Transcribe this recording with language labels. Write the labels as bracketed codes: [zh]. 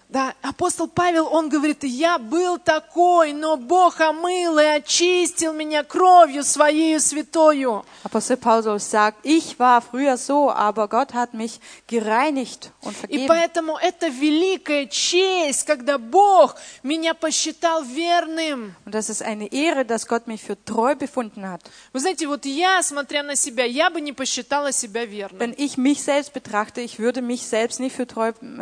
[ru] Да, апостол Павел, он говорит: я был такой, но Бог омыл и очистил меня кровью своей святою. [de] Апостол Павел sagt: Ich war früher so, aber Gott hat mich gereinigt und vergeben. [ru] И поэтому это великая честь, когда Бог меня посчитал верным. [de] Und das ist eine Ehre, dass Gott mich für treu befunden hat. [ru] Вы знаете, вот я, смотря на себя, я бы не посчитала себя верным. [de] Wenn ich mich selbst betrachte, ich würde mich selbst nicht für treu